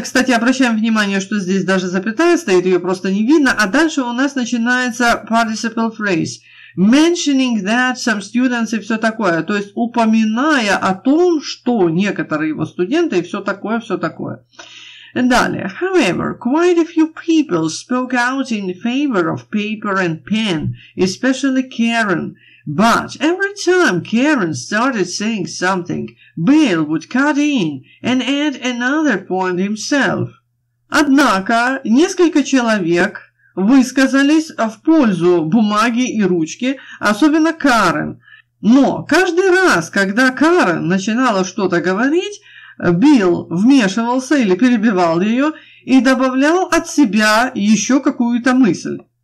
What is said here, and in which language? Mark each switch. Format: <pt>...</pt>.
<ru>Кстати, обращаем внимание, что здесь даже запятая стоит, ее просто не видно. А дальше у нас начинается participle phrase.</ru> <en>Mentioning that some students</en> <ru>и все такое. То есть упоминая о том, что некоторые его студенты и все такое, все такое. Далее.</ru> <en>However, quite a few people spoke out in favor of paper and pen, especially Karen. But every time Karen started saying something, Bill would cut in and add another point himself.</en> <ru>Однако, несколько человек высказались в пользу бумаги и ручки, особенно Карен. Но каждый раз, когда Карен начинала что-то говорить, Билл вмешивался или перебивал ее и добавлял от себя еще какую-то мысль.</ru>